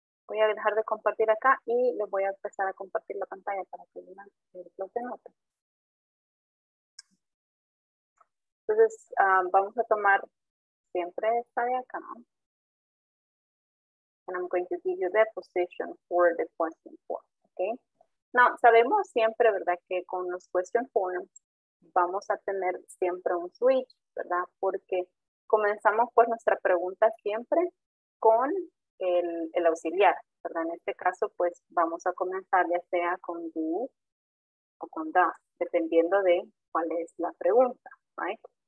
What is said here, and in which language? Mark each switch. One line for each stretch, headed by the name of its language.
Spanish: Voy a dejar de compartir acá y les voy a empezar a compartir la pantalla para que vean los de notas. Entonces, vamos a tomar siempre esta de acá.
English: And I'm going to give you the position for the question form. Okay.
Spanish: Now, sabemos siempre, ¿verdad?, que con los question forms vamos a tener siempre un switch, ¿verdad? Porque comenzamos pues nuestra pregunta siempre con el auxiliar, ¿verdad? En este caso, pues vamos a comenzar ya sea con do o con does, dependiendo de cuál es la pregunta, ¿right?